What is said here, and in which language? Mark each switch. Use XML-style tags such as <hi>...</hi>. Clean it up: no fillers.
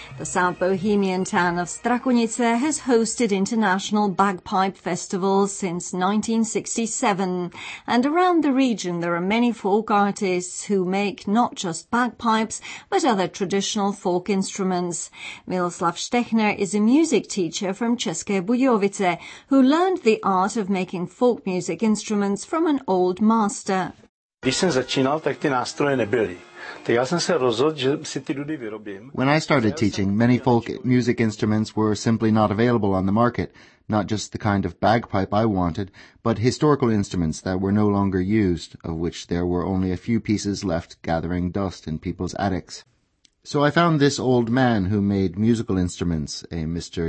<en>The South Bohemian town of Strakonice has hosted international bagpipe festivals since 1967, and around the region there are many folk artists who make not just bagpipes, but other traditional folk instruments. Miloslav Stechner is a music teacher from České Budějovice, who learned the art of making folk music instruments from an old master.</en> <cs>Když jsem začínal, tak ty nástroje nebyly. Tak já jsem se rozhodl, že si ty dudy vyrobím.</cs> <en>When I started teaching, many folk music instruments were simply not available on the market, not just the kind of bagpipe I wanted, but historical instruments that were no longer used, of which there were only a few pieces left gathering dust in people's attics. So I found this old man who made musical instruments, a Mr.</en>